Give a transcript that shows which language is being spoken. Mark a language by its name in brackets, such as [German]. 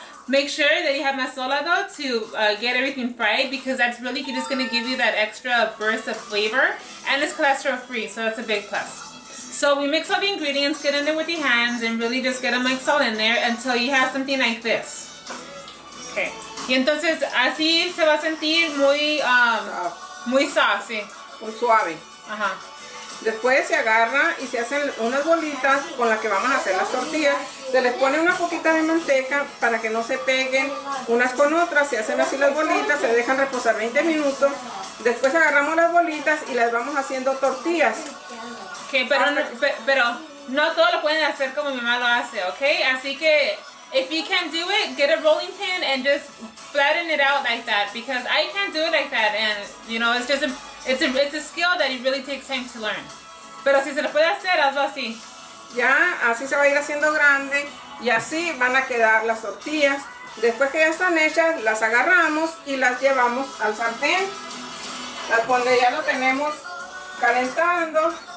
[English] Make sure that you have masala though to get everything fried, because that's really just gonna give you that extra burst of flavor, and it's cholesterol free, so that's a big plus. So we mix all the ingredients, get in there with your hands, and really just get them mixed all in there until you have something like this. Okay. [Spanish] Y entonces, así se va a sentir muy, muy soft, sí. Muy suave. Ajá. Después se agarra y se hacen unas bolitas con las que vamos a hacer las tortillas. Se les pone una poquita de manteca para que no se peguen unas con otras. Se hacen así las bolitas, se dejan reposar 20 minutos. Después agarramos las bolitas y las vamos haciendo tortillas. Ok, pero no todo lo pueden hacer como mi mamá lo hace, ok? Así que... [English] If you can do it, get a rolling pin and just flatten it out like that, because I can't do it like that, and you know, it's just it's a skill that it really takes time to learn. [Spanish] Pero si se lo puede hacer, hazlo así. Ya, así se va a ir haciendo grande y así van a quedar las tortillas. Después que ya están hechas, las agarramos y las llevamos al sartén, donde ya lo tenemos calentando.